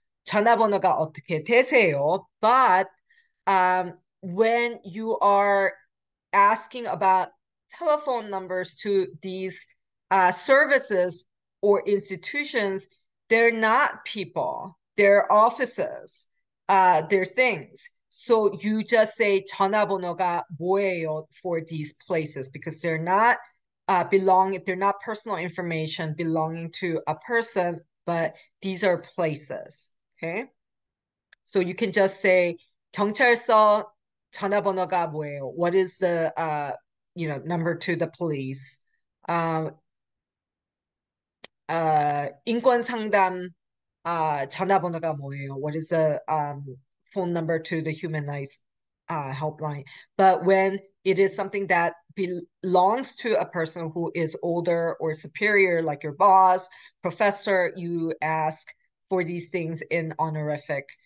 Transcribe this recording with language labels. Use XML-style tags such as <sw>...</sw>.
<ko>전화번호가 어떻게 되세요?</ko> <en>But when you are asking about telephone numbers to these services or institutions, they're not people. They're offices. They're things. So you just say 전화번호가 뭐예요 for these places because they're not belong. They're not personal information belonging to a person, but these are places. Okay. So you can just say 경찰서 전화번호가 뭐예요? What is the number to the police?</en> <ko>인권 상담 전화번호가 뭐예요?</ko> <en>What is the phone number to the human rights helpline? But when it is something that belongs to a person who is older or superior, like your boss, professor, you ask for these things in honorific.</en>